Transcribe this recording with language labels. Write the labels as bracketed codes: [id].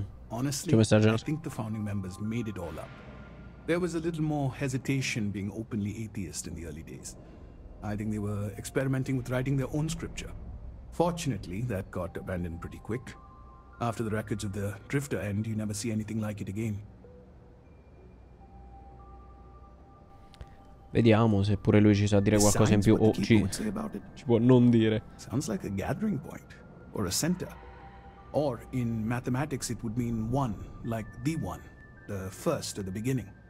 [en] Honestly, I think the founding members made it all up. There was a little more hesitation being openly atheist in the early days. I think they were experimenting with writing their own scripture. Fortunately, that got abandoned pretty quick. After the records of the Drifter end, you never see anything like it again. [it] Vediamo se pure lui ci sa dire qualcosa in più o ci può non dire. [en] Sounds like a gathering point or a center. Or in mathematics it would mean one, like the one, the first or the beginning.